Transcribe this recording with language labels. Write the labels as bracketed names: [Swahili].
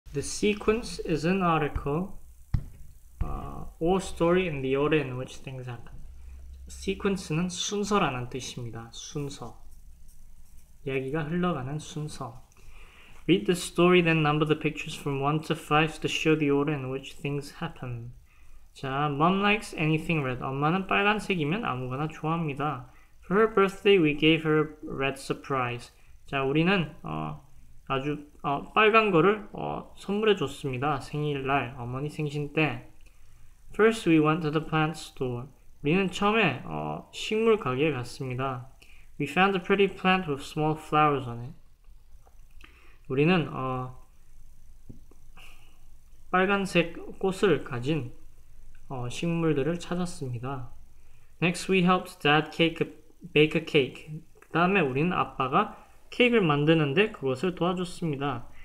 [English] The sequence is an article or story in the order in which things happen. [Korean] Sequence는 순서라는 뜻입니다. 순서. 이야기가 흘러가는 순서. [English] Read the story, then number the pictures from 1 to 5 to show the order in which things happen. 자, Mom likes anything red. [Korean] 엄마는 빨간색이면 아무거나 좋아합니다. [English] For her birthday, we gave her a red surprise. [Korean] 자, 우리는 아주 빨간 거를 선물해 줬습니다. 생일날, 어머니 생신 때. [English] First, we went to the plant store. [Korean] 우리는 처음에 식물 가게에 갔습니다. [English] We found a pretty plant with small flowers on it. [Korean] 우리는 빨간색 꽃을 가진 식물들을 찾았습니다. [English] Next, we helped Dad bake a cake. [Korean] 그 다음에 우리는 아빠가 케이크를 만드는데 그것을 도와줬습니다.